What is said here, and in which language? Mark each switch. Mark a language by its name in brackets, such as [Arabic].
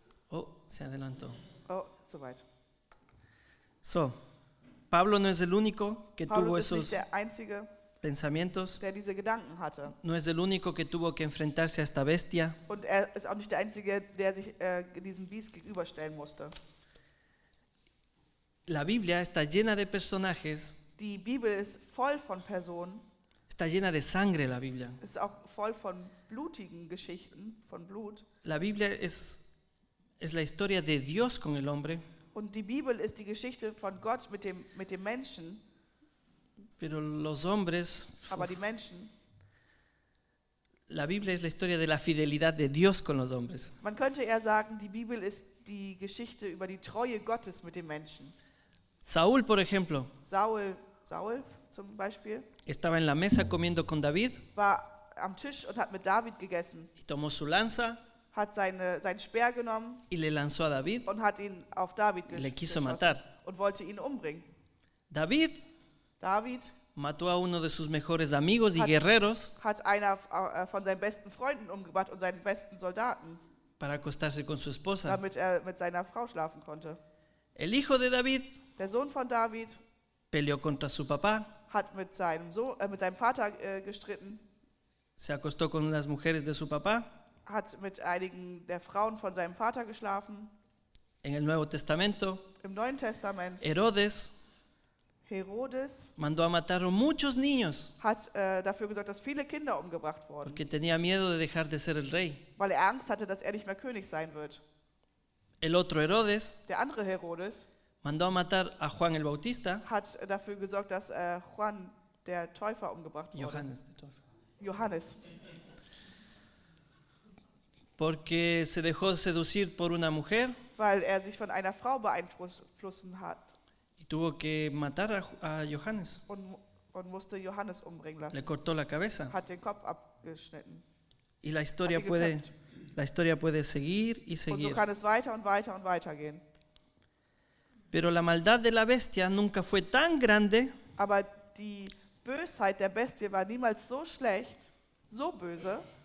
[Spanish] Oh, se adelantó. [German] Oh, zu weit. [Spanish] So. Pablo no es el único que [German] Paulus [Spanish] tuvo esos [German] einzige, [Spanish] pensamientos. [German] Der diese Gedanken hatte. [Spanish] No es el único que tuvo que enfrentarse a esta bestia. [German] Und er ist auch nicht der einzige, der sich diesem Biest gegenüberstellen musste. [Spanish] La Biblia está llena de personajes. [German] Die Bibel ist voll von Personen. [Spanish] Está llena de sangre la Biblia. [German] Ist auch voll von blutigen Geschichten, von Blut. [Spanish] La Biblia es la historia de Dios con el hombre. [German] Und die Bibel ist die Geschichte von Gott mit dem Menschen. [Spanish] Pero los hombres, [German] aber die Menschen. [Spanish] La Biblia es la historia de la fidelidad de Dios con los hombres. [German] Man könnte eher sagen, die Bibel ist die Geschichte über die Treue Gottes mit den Menschen. [Spanish] Saúl, por ejemplo. [German] Saul zum Beispiel. [Spanish] Estaba en la mesa comiendo con David. [German] War am Tisch und hat mit David gegessen. [Spanish] Y tomó su lanza. [German] Hat sein Speer genommen [Spanish] y le lanzó a David, [German] und hat ihn auf David geschossen und wollte ihn umbringen. [Spanish] David mató a uno de sus mejores amigos y guerreros, [German] hat einer von seinen besten Freunden umgebracht und seinen besten Soldaten, [Spanish] para acostarse con su esposa, [German] damit er mit seiner Frau schlafen konnte. [Spanish] El hijo de David, [German] der Sohn von David, [Spanish] peleó contra su papá, [German] hat mit seinem Vater gestritten, [Spanish] se acostó con las mujeres de su papá, [German] hat mit einigen der Frauen von seinem Vater geschlafen. [Spanish] En el Nuevo Testamento, [German] im Neuen Testament. [Spanish] Herodes mandó a matar a muchos niños, [German] hat dafür gesorgt, dass viele Kinder umgebracht wurden. [Spanish] Porque tenía miedo de dejar de ser el rey. [German] Weil er Angst hatte, dass er nicht mehr König sein wird. [Spanish] El otro Herodes, [German] der andere Herodes, [Spanish] mandó a matar a Juan el Bautista, [German] hat dafür gesorgt, dass Juan der Täufer umgebracht wurde. Johannes der Täufer. Johannes. [Spanish] Porque se dejó seducir por una mujer. [German] Weil er sich von einer Frau beeinflussen hat. [Spanish] Y tuvo que matar a Johannes. [German] Und musste Johannes umbringen lassen. [Spanish] Le cortó la cabeza. [German] Hat den Kopf abgeschnitten. [Spanish] Y la historia puede seguir y seguir. [German] Und so kann es weiter und weiter und weiter gehen. [Spanish] Pero la maldad de la bestia nunca fue tan grande. [German] Aber die Bösheit der Bestie war niemals so schlecht, so böse.